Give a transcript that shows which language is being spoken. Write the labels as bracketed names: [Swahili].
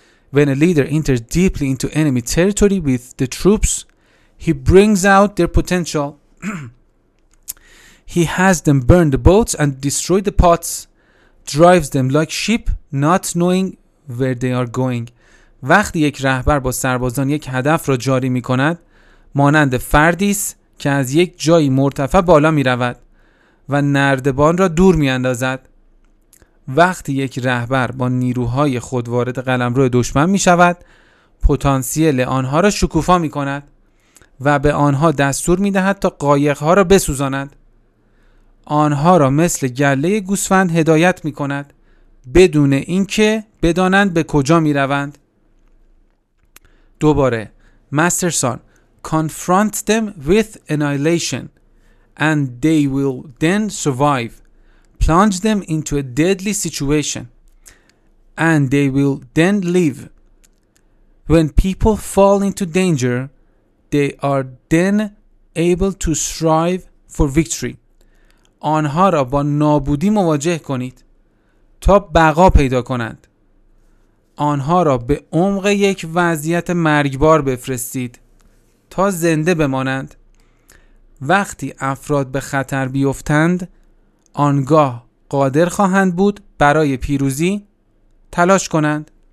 [English] When a leader enters deeply into enemy territory with the troops, he brings out their potential. He has them burn the boats and destroy the pots, drives them like sheep, not knowing where they are going. [Persian] وقتی یک رهبر با سربازان یک هدف را جاری می کند، مانند فردی است که از یک جایی مرتفع بالا می رود و نردبان را دور می اندازد. وقتی یک رهبر با نیروهای خود وارد قلمرو دشمن می شود، پتانسیل آنها را شکوفا می کند و به آنها دستور می دهد تا قایق‌ها را بسوزانند. آنها را مثل گله گوسفند هدایت می کند بدون اینکه بدانند به کجا می روند. دوباره مسترسان: [English] Confront them with annihilation and they will then survive. Plunge them into a deadly situation and they will then live. When people fall into danger, they are then able to strive for victory. [Persian] آنها را با نابودی مواجه کنید تا بقا پیدا کنند. آنها را به عمق یک وضعیت مرگبار بفرستید تا زنده بمانند. وقتی افراد به خطر بیفتند، آنگاه قادر خواهند بود برای پیروزی تلاش کنند.